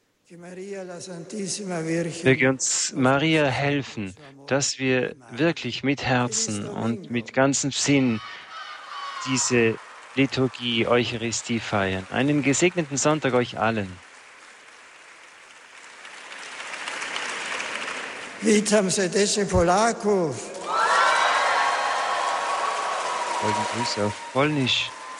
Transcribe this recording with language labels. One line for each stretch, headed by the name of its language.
German: Möge uns Maria helfen, dass wir wirklich mit Herzen und mit ganzem Sinn diese Liturgie, Eucharistie feiern. Einen gesegneten Sonntag euch allen.
Polish: Witam serdecznie Polaków.
German: Folgende Grüße auf Polnisch.